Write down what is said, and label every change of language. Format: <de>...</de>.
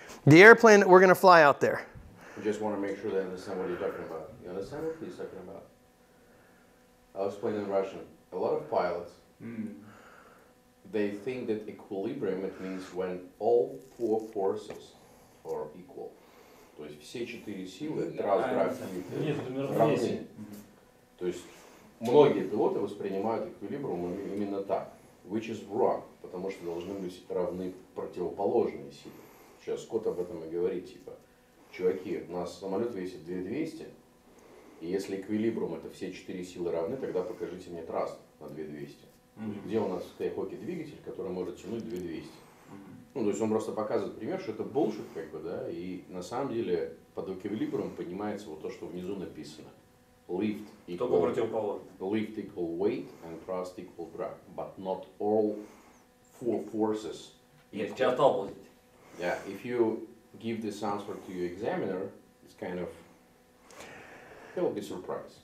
<en>The airplane that we're going to fly out there. You just want to make sure they understand what you're talking about. You understand what he's talking about? I'll explain in Russian. A lot of pilots, they think that equilibrium, it means when all four forces are equal.</en> <ru>То есть все четыре силы раз равны. То есть многие пилоты воспринимают эквилибриум именно так.</ru> <en>Which is wrong,</en> <ru>потому что должны быть равны противоположные силы. Сейчас Скотт об этом и говорит, типа, чуваки, у нас самолет весит 2200, и если эквилибриум это все четыре силы равны, тогда покажите мне траст на 2200. Mm-hmm. Где у нас в Skyhawk'е двигатель, который может тянуть 2200? Ну, то есть он просто показывает пример, что это bullshit, как бы, да, и на самом деле под эквилибриум понимается вот то, что внизу написано.</ru> <en>Lift equal, lift equal weight and thrust equal drag, but not all four forces. Yes, just opposite. Yeah, if you give this answer to your examiner, it's kind of, he'll be surprised.</en>